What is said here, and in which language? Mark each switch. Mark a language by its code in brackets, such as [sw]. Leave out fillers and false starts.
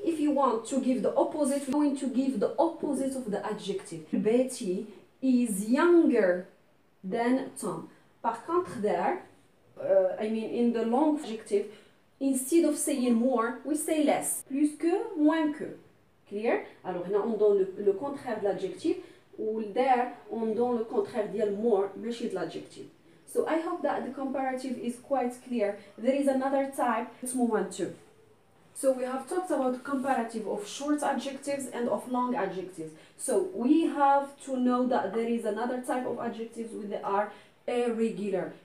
[en] If you want to give the opposite, we're going to give the opposite of the adjective. Betty is younger than Tom. [fr] Par contre, [en] there, in the long adjective, instead of saying more, we say less. [fr] Plus que, moins que. [en] Clear? [fr] Alors, là, on donne le contraire de l'adjectif. Ou there, on donne le contraire de more, mais de l'adjectif. [en] So, I hope that the comparative is quite clear. There is another type. Let's move on to. So, we have talked about comparative of short adjectives and of long adjectives. So, we have to know that there is another type of adjectives with the R. Irregular.